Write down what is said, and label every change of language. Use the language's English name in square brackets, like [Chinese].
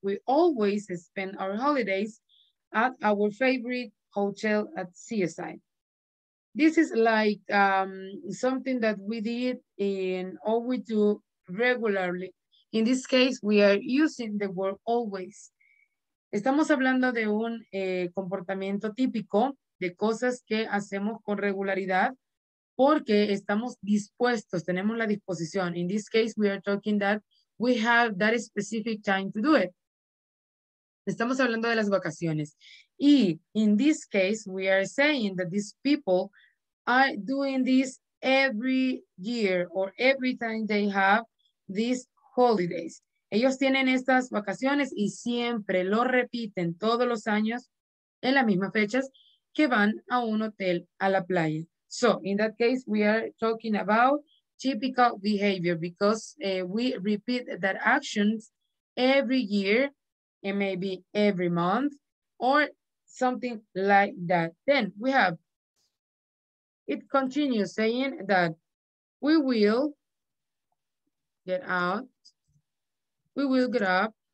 [English] We always spend our holidays at our favorite hotel at seaside. This is like something that we did in, or we do regularly. In this case, we are using the word always. [Spanish] Estamos hablando de un comportamiento típico de cosas que hacemos con regularidad. Porque estamos dispuestos, tenemos la disposición. [English] In this case, we are talking that we have that specific time to do it. [Spanish] Estamos hablando de las vacaciones. Y [English] in this case, we are saying that these people are doing this every year or every time they have these holidays. [Spanish] Ellos tienen estas vacaciones y siempre lo repiten todos los años en las mismas fechas que van a un hotel a la playa. [English] So, in that case, we are talking about typical behavior because we repeat that actions every year and maybe every month or something like that. Then we have, it continues saying that we will get out, we will get up,